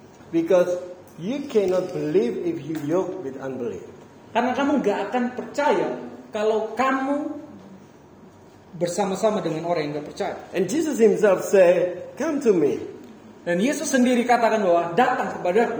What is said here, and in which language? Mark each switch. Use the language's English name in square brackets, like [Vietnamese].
[English] Because you cannot believe if you yoke with unbelief. [Indonesian] Karena kamu gak akan percaya kalau kamu bersama-sama dengan orang yang gak percaya. [English] And Jesus himself say, come to me. [Indonesian] Dan Yesus sendiri katakan bahwa datang kepada